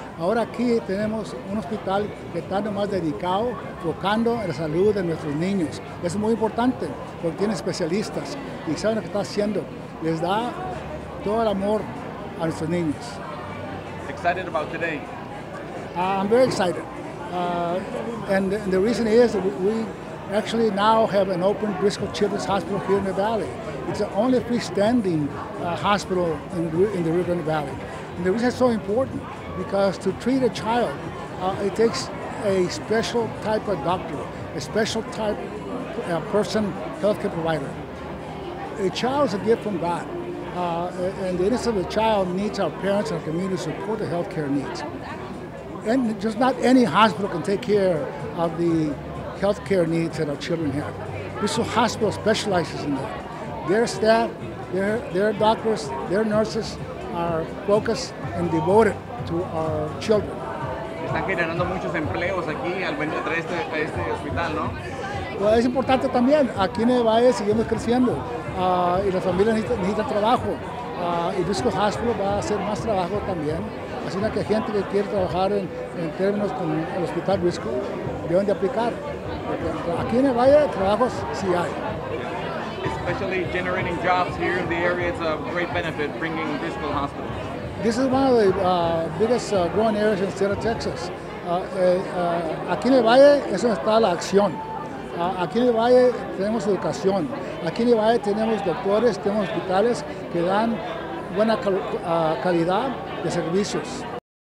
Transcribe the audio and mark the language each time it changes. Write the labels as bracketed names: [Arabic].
[Spanish] Ahora aquí tenemos un hospital que está nomás dedicado, enfocando en la salud de nuestros niños. Es muy importante, porque tiene especialistas y saben lo que está haciendo. Les da todo el amor a nuestros niños. [English] Excited about today? I'm very excited. And the reason is that we actually now have an open Briscoe Children's Hospital here in the Valley. It's the only freestanding hospital in the Rio Grande Valley. And the reason it's so important, because to treat a child, it takes a special type of doctor, a special type of person, healthcare provider. A child is a gift from God. And the innocence of a child needs our parents and our community to support the healthcare needs. And just not any hospital can take care of the healthcare needs that our children have. This hospital specializes in that. Their staff, their doctors, their nurses are focused and devoted to our children. [Spanish] Están generando muchos empleos aquí al venir a traer este hospital, ¿no? Pues es importante también. Aquí en el Valle seguimos creciendo y la familia necesita trabajo. Y Briscoe Hospital va a hacer más trabajo también. Así que hay gente que quiere trabajar en términos con el Hospital Briscoe, deben de aplicar. Porque aquí en el Valle trabajos sí hay. [English] Especially generating jobs here in the area, it's a great benefit bringing Briscoe Hospital. This is one of the biggest growing areas in the state of Texas. [Spanish] Aquí en el Valle es donde está la acción. Aquí en el Valle tenemos educación. Aquí en el Valle tenemos doctores, tenemos hospitales que dan buena calidad de servicios.